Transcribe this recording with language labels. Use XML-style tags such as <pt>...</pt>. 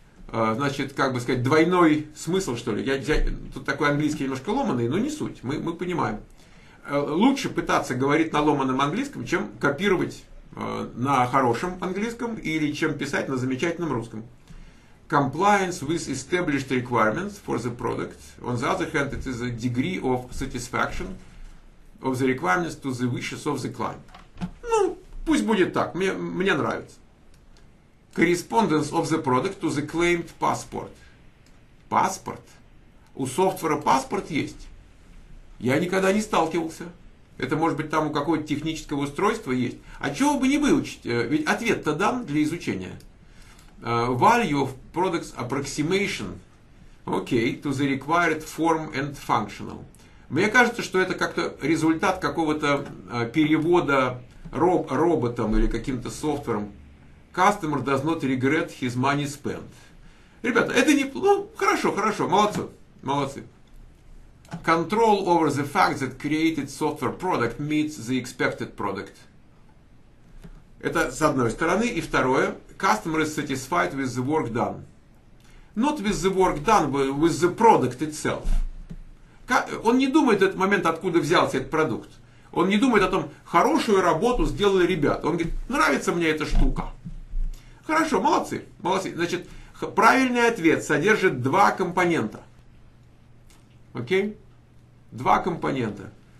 <ru>Значит, как бы сказать, двойной смысл, что ли. Я тут такой английский немножко ломанный, но не суть, мы понимаем. Лучше пытаться говорить на ломаном английском, чем копировать на хорошем английском или чем писать на замечательном русском.</ru> <en>Compliance with established requirements for the product. On the other hand, it is a degree of satisfaction of the requirements to the wishes of the client.</en> <ru>Ну, пусть будет так, мне нравится.</ru> <en>Correspondence of the product to the claimed passport.</en> <ru>Паспорт? У софтвера паспорт есть? Я никогда не сталкивался. Это может быть там у какого-то технического устройства есть. А чего бы не выучить? Ведь ответ-то дан для изучения.</ru> <en>Value of product approximation. Окей, to the required form and functional.</en> <ru>Мне кажется, что это как-то результат какого-то перевода роботом или каким-то софтвером.</ru> <en>Customer does not regret his money spent.</en> <ru>Ребята, это не... Ну, хорошо, хорошо, молодцы, молодцы.</ru> <en>Control over the fact that created software product meets the expected product.</en> <ru>Это с одной стороны. И второе.</ru> <en>Customer is satisfied with the work done. Not with the work done, but with the product itself.</en> <ru>Он не думает в этот момент, откуда взялся этот продукт. Он не думает о том, хорошую работу сделали ребята. Он говорит, нравится мне эта штука. Хорошо, молодцы, молодцы. Значит, правильный ответ содержит два компонента. Окей? Два компонента.</ru>